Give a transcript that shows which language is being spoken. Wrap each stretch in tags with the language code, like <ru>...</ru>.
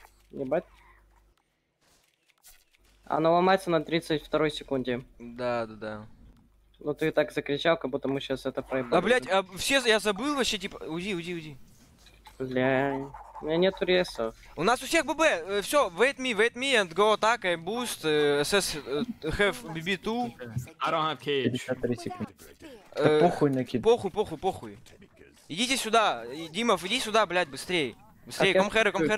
<ru>Ебать. Оно ломается на 32 секунде. Да. Ну ты так закричал, как будто мы сейчас это проебали. А блять, а все, я забыл вообще, типа, уйди. Бля, у меня нету ресов. У нас у всех ББ, все,</ru> <en>wait me and go attack, I boost, SS have BB2. I don't have cage.</en> <ru>53 секунды. Похуй на кит. Похуй. Идите сюда, Димов, иди сюда, блять, быстрее, комхеры.</ru>